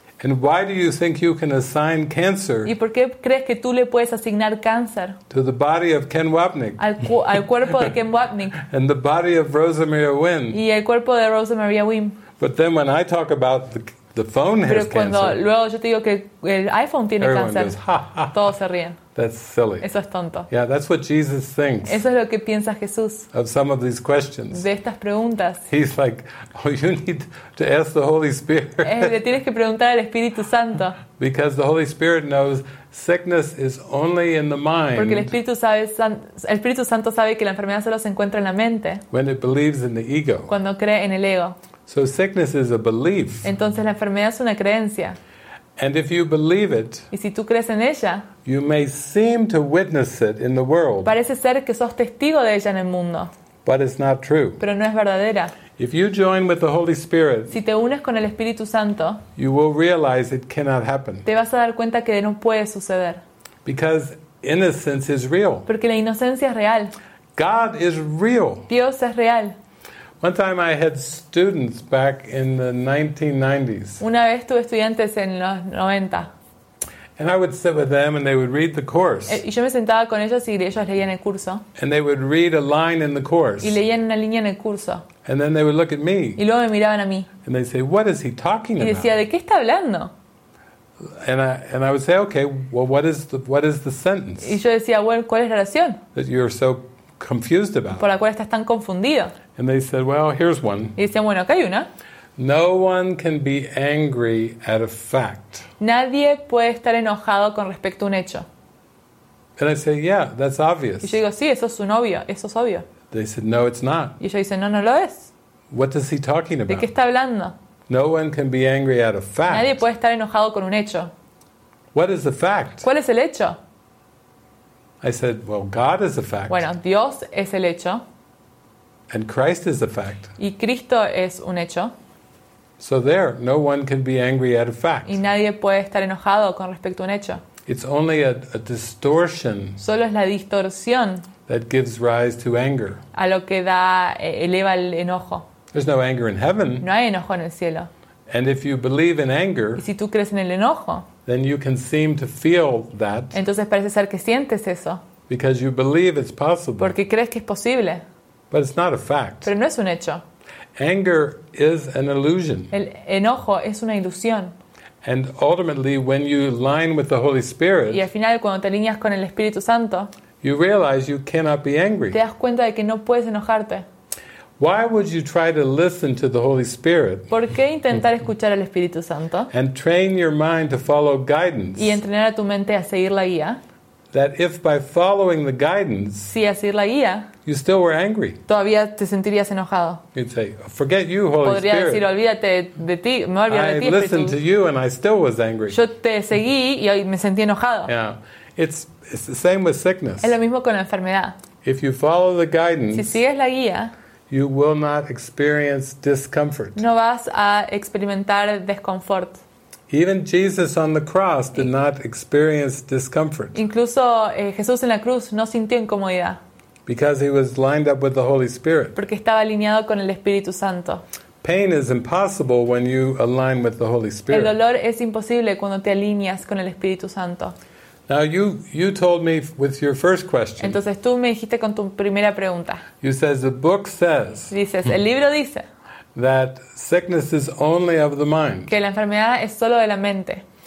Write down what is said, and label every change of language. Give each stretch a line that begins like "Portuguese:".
English: And why do you think you can assign cancer?
Spanish: ¿Y por qué crees que tú le puedes asignar cáncer?
English: To the body of Ken Wapnick.
Spanish: Al cuerpo de Ken Wapnick.
English: And the body of Rosemary Wynn.
Spanish: Y el cuerpo de Rosemary Wynn.
English: But then when I talk about the phone
Spanish: pero
English: has cancer.
Spanish: Pero cuando luego yo te digo que el iPhone tiene
English: everyone
Spanish: cáncer.
English: Goes, ha, ha,
Spanish: todos se ríen.
English: That's silly.
Spanish: Eso es tonto.
English: Yeah, that's what Jesus thinks.
Spanish: Eso es lo que piensa Jesús.
English: Of some of these questions.
Spanish: De estas preguntas.
English: He's like, oh, you need to ask the Holy Spirit.
Spanish: Le tienes que preguntar al Espíritu Santo.
English: Because the Holy Spirit knows sickness is only in the mind.
Spanish: Porque el Espíritu Santo sabe que la enfermedad solo se encuentra en la mente.
English: When it believes in the ego.
Spanish: Cuando cree en el ego.
English: So sickness is a belief.
Spanish: Entonces la enfermedad es una creencia.
English: And if you believe it,
Spanish: y si tú crees en ella,
English: you may seem to witness it in the world.
Spanish: Parece ser que sos testigo de ella en el mundo.
English: But it's not true.
Spanish: Pero no es verdadera.
English: If you join with the Holy Spirit,
Spanish: si te unes con el Espíritu Santo,
English: you will realize it cannot happen.
Spanish: Te vas a dar cuenta que no puede suceder.
English: Because innocence is real.
Spanish: Porque la inocencia es real.
English: God is real.
Spanish: Dios es real.
English: One time I had students back in the 1990s.
Spanish: Una vez tuve estudiantes en los 90.
English: And I would sit with them and they would read the course.
Spanish: Y yo me sentaba con ellos y ellos leían el curso.
English: And they would read a line in the course.
Spanish: Y leían una línea en el curso.
English: And then they would look at me.
Spanish: Y luego me miraban a mí.
English: And they'd say, what is he talking about?
Spanish: Y decía, ¿de qué está hablando?
English: And I would say, okay, well, what is the sentence?
Spanish: Y yo decía, bueno, ¿cuál es la oración?
English: That you're so confused about.
Spanish: Por la cual estás tan confundido.
English: And they said, well, here's one.
Spanish: Y decían, bueno, acá hay una.
English: No one can be angry at a fact.
Spanish: Nadie puede estar enojado con respecto a un hecho.
English: And I say, yeah, that's obvious.
Spanish: Y yo digo, sí, eso es obvio.
English: They said, no, it's not.
Spanish: Y ellos dicen, no lo es.
English: What is he talking about?
Spanish: ¿De qué está hablando?
English: No one can be angry at a fact.
Spanish: Nadie puede estar enojado con un hecho.
English: What is the fact?
Spanish: ¿Cuál es el hecho?
English: I said, well, God is a fact.
Spanish: Bueno, Dios es el hecho.
English: And Christ is a fact.
Spanish: Y Cristo es un hecho.
English: So there, no one can be angry at a fact.
Spanish: Y nadie puede estar enojado con respecto a un hecho.
English: It's only a distortion.
Spanish: Solo es la distorsión.
English: That gives rise to anger.
Spanish: A lo que da eleva el enojo.
English: There's no anger in heaven.
Spanish: No hay enojo en el cielo.
English: And if you believe in anger,
Spanish: y si tú crees en el enojo,
English: then you can seem to feel that.
Spanish: Entonces parece ser que sientes eso.
English: Because you believe it's possible.
Spanish: Porque crees que es posible.
English: But it's not a fact.
Spanish: Pero no es un hecho.
English: Anger is an illusion.
Spanish: El enojo es una ilusión.
English: And ultimately, when you align with the Holy Spirit,
Spanish: y al final, cuando te alineas con el Espíritu Santo,
English: you realize you cannot be angry.
Spanish: Te das cuenta de que no puedes enojarte.
English: Why would you try to listen to the Holy Spirit?
Spanish: ¿Por qué intentar escuchar al Espíritu Santo?
English: And train your mind to follow guidance.
Spanish: Y entrenar a tu mente a seguir la guía.
English: That if by following the guidance,
Spanish: si a seguir la guía,
English: you still were angry,
Spanish: todavía te sentirías enojado.
English: You'd say, "Forget you, Holy
Spanish: Podría
English: Spirit."
Spanish: Decir, olvídate de ti, me olvido de ti.
English: I listened to you and I still was angry.
Spanish: Yo te seguí y me sentí enojado.
English: Yeah, it's the same with sickness.
Spanish: Es lo mismo con la enfermedad.
English: If you follow the guidance,
Spanish: si sigues la guía,
English: you will not experience discomfort.
Spanish: No vas a experimentar desconfort.
English: Even Jesus on the cross did not experience discomfort.
Spanish: Incluso Jesús en la cruz no sintió incomodidad.
English: Because he was lined up with the Holy Spirit.
Spanish: Porque estaba alineado con el Espíritu Santo.
English: Pain is impossible when you align with the Holy Spirit.
Spanish: El dolor es imposible cuando te alineas con el Espíritu Santo.
English: Now you told me with your first question.
Spanish: Entonces tú me dijiste con tu primera pregunta.
English: You says the book says.
Spanish: Dices, el libro dice.
English: That sickness is only of the mind.
Spanish: Que la enfermedad es solo de la mente.